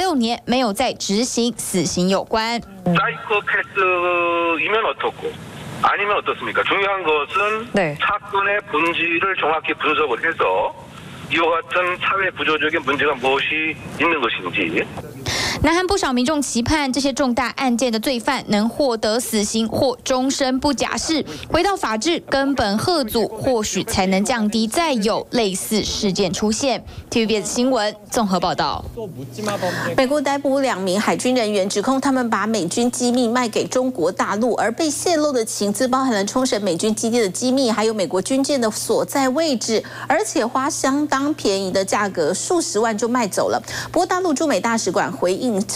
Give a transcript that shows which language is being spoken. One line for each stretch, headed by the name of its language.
Chinese: 从防身喷雾到电击器，南韩民众个个求自保，只是犯罪率越来越高。或许也跟南韩已经将近26年没有再执行死刑有关。
Korean: 사이코패스이면 어떻고 아니면 어떻습니까? 중요한 것은 네. 사건의 본질을 정확히 분석을 해서 이와 같은 사회 구조적인 문제가 무엇이 있는 것인지.
Chinese: 南韩不少民众期盼这些重大案件的罪犯能获得死刑或终身不假释，回到法治根本吓阻，或许才能降低再有类似事件出现。 TVBS 新闻综合报道。美国逮捕两名海军人员，指控他们把美军机密卖给中国大陆，而被泄露的情资包含了冲绳美军基地的机密，还有美国军舰的所在位置，而且花相当便宜的价格，数十万就卖走了。不过，大陆驻美大使馆回应，